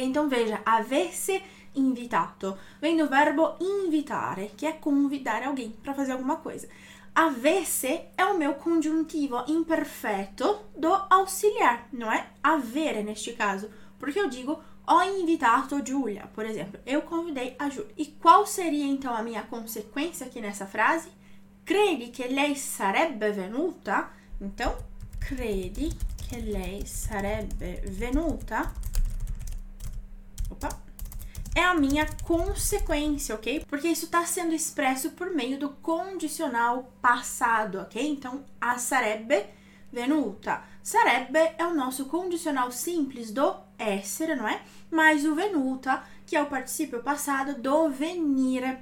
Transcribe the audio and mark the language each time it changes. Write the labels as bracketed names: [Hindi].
[Portuguese] Então, veja, avesse invitado vem do verbo invitare, que é convidar alguém para fazer alguma coisa. Avesse é o meu conjuntivo imperfeto do auxiliar, não é? Avere, neste caso, porque eu digo: [Italian] ho invitato Giulia, [Portuguese] por exemplo, eu convidei a Giulia. E qual seria então a minha consequência aqui nessa frase? [Italian] Credi che lei sarebbe venuta? Então, credi che lei sarebbe venuta? [Portuguese] Opa! É a minha consequência, ok? Porque isso está sendo expresso por meio do condicional passado, ok? Então, a sarebbe venuta. Sarebbe é o nosso condicional simples do essere, não é? Mais o venuta, que é o participio passado do venire.